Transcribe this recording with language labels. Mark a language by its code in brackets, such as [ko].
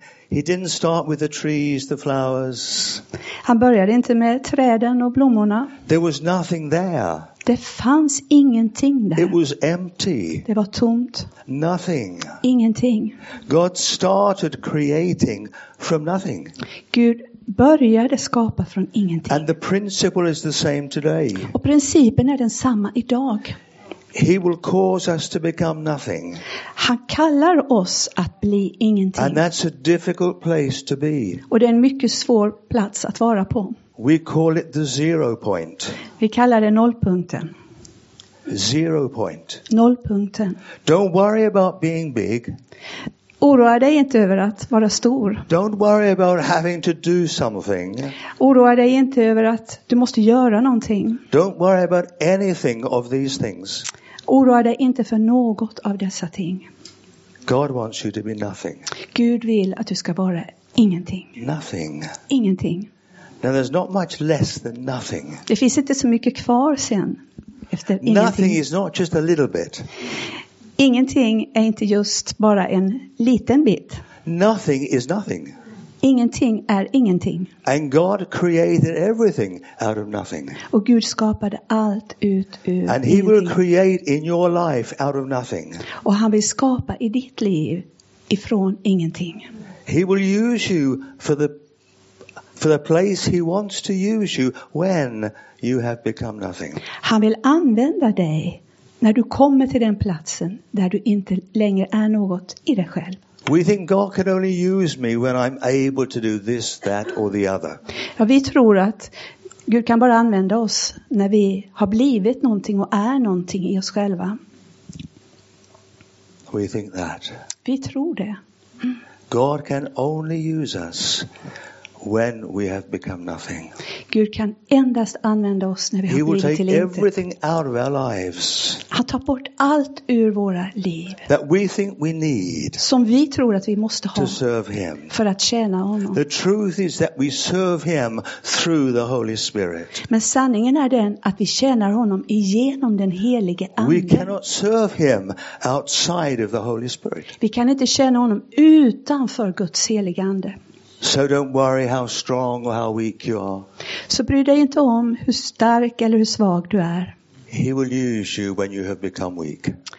[en] He didn't start with the trees, the flowers. [sv] Han började inte med träden och blommorna. [en] There was nothing there. [sv] Det fanns ingenting där. [en] It was empty. [sv] Det var tomt. [en] Nothing. [sv] Ingenting. [en] God started creating from nothing. [sv] Gud började skapa från ingenting. [en] And the principle is the same today. [sv] Och principen är densamma idag. [en] He will cause us to become nothing. [sv] Han kallar oss att bli ingenting. [en] And that's a difficult place to be. [sv] Och det är en mycket svår plats att vara på. [en] We call it the zero point. [sv] Vi kallar det nollpunkten. [en] Zero point. [sv] Nollpunkten. [en] Don't worry about being big. [sv] Oroa dig inte över att vara stor. [en] Don't worry about having to do something. [sv] Oroa dig inte över att du måste göra någonting. [en] Don't worry about anything of these things. [sv] Oroa dig inte för något av dessa ting. [en] God wants you to be nothing. [sv] Gud vill att du ska vara ingenting. [en] Nothing. [sv] Ingenting. [en] Now there's not much less than nothing. [sv] Det finns inte så mycket kvar sen efter ingenting. [en] Nothing is not just a little bit. [sv] Ingenting är inte just bara en liten bit. [en] Nothing is nothing. [sv] Ingenting är ingenting. [en] And God created everything out of nothing. [sv] Och Gud skapade allt ut ur ingenting. [en] And he will create in your life out of nothing. [sv] Och han vill skapa i ditt liv ifrån ingenting. [en] He will use you for the place he wants to use you when you have become nothing. [sv] Han vill använda dig När du kommer till den platsen där du inte längre är något i dig själv. [en] We think God can only use me when I'm able to do this, that or the other. [sv] Ja, vi tror att Gud kan bara använda oss när vi har blivit någonting och är någonting i oss själva. [en] We think that. [sv] Vi tror det. [en] God can only use us when we have become nothing. [sv] Gud kan endast använda oss när vi har blivit till intet. [en] He will take everything out of our lives. [sv] Han tar bort allt ur våra liv. [en] That we think we need. [sv] Som vi tror att vi måste ha. [en] To serve him. [sv] För att tjäna honom. [en] The truth is that we serve him through the Holy Spirit. [sv] Men sanningen är den att vi tjänar honom igenom den helige anden. [en] We cannot serve him outside of the Holy Spirit. [sv] Vi kan inte tjäna honom utanför Guds helige ande. [en] So don't worry how strong or how weak you are. [sv] Så bry dig inte om hur stark eller hur svag du är. [en] He will use you when you have become weak.